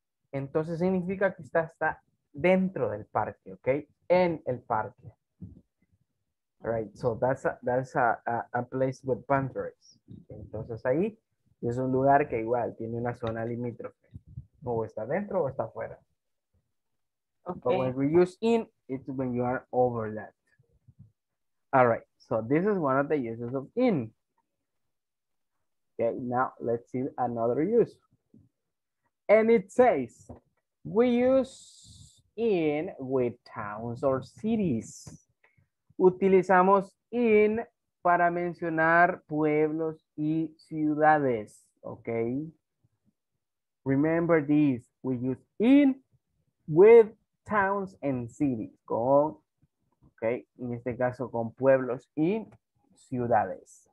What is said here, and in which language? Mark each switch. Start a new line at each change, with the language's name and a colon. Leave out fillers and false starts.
Spanish: Entonces significa que está dentro del parque, ¿ok? En el parque.
English: All right, so that's a place with boundaries.
Spanish: Entonces ahí es un lugar que igual tiene una zona limítrofe. O está dentro o está afuera. Okay.
English: But when we use in, it's when you are over that. All right, so this is one of the uses of in. Okay, now let's see another use. And it says, we use in with towns or cities.
Spanish: Utilizamos in para mencionar pueblos y ciudades, okay?
English: Remember this, we use in with towns and cities.
Spanish: Con, okay, en este caso con pueblos y ciudades.